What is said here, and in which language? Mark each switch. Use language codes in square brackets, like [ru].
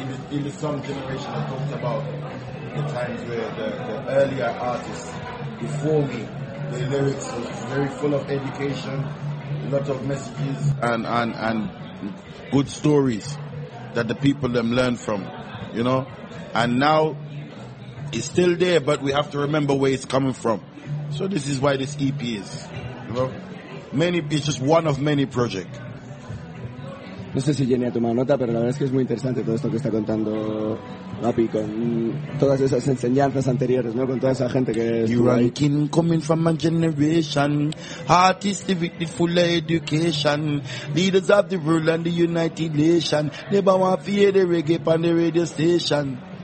[en] In the song generation, I talked about the times where the earlier artists before me, the lyrics was very full of education, a lot of messages and good stories that the people them learn from, you know. And now it's still there, but we have to remember where it's coming from. So this is why this EP is, you know. It's just one of many projects. [es] No sé si Jenny ha tomado nota, pero la verdad es que es muy interesante todo esto que está contando Gapi con todas esas enseñanzas anteriores, ¿no? Con toda esa gente que es... [en] You are king coming from my generation, artists with the full education, leaders of the world and the United Nations, never want to hear the reggae on the radio station.